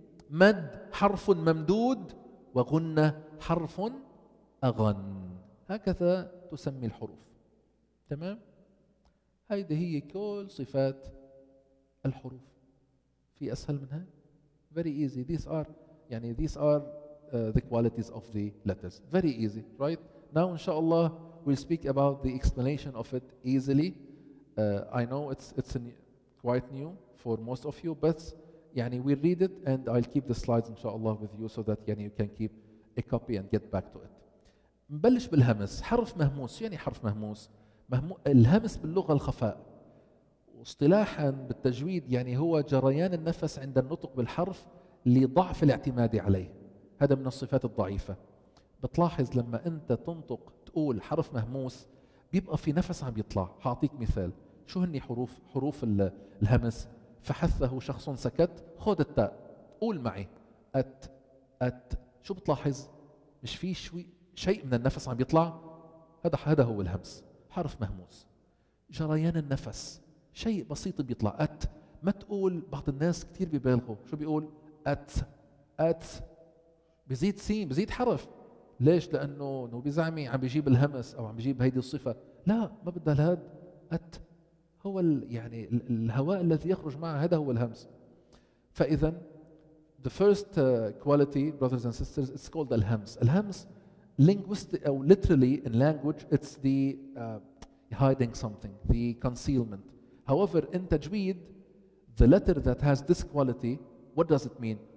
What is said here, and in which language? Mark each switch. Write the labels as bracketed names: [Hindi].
[Arabic] مد حرف ممدود. وغنة حرف أغن. هكذا تسمي الحروف. تمام؟ هذه هي كل صفات الحروف. في أسهل منها؟ [English] Very easy. These are يعني these are the qualities of the letters. Very easy, right? Now, [Arabic] إن شاء الله, [English] we'll speak about the explanation of it easily. I know it's quite new for most of you, but يعني we'll read it and I'll keep the slides [Arabic] إن شاء الله [English] with you so that يعني you can keep a copy and get back to it. [Arabic] نبلش بالهمس. حرف مهموس. يعني حرف مهموس؟ الهمس باللغة الخفاء. اصطلاحا بالتجويد يعني هو جريان النفس عند النطق بالحرف لضعف الاعتماد عليه. هذا من الصفات الضعيفة. بتلاحظ لما أنت تنطق تقول حرف مهموس بيبقى في نفس عم يطلع. هعطيك مثال. شو هني حروف الهمس؟ فحثه شخص سكت. خد التاء. قول معي. أت أت. شو بتلاحظ؟ مش في شيء من النفس عم يطلع؟ هذا هو الهمس. حرف مهموس. جريان النفس. شيء بسيط بيطلع. أت. ما تقول بعض الناس كتير بيبالغوا. شو بيقول؟ أت أت. بزيد سين. بزيد حرف. ليش؟ لأنه هو بيزعمي عم بيجيب الهمس أو عم بيجيب هيدي الصفة. لا ما بدل هاد. أت. هو يعني الهواء الذي يخرج معه هذا هو الهمس. [English] فإذا the first quality brothers and sisters it's called الهمس. الهمس linguistic or literally in language it's the hiding something, the concealment. However in تجويد the letter that has this quality, what does it mean?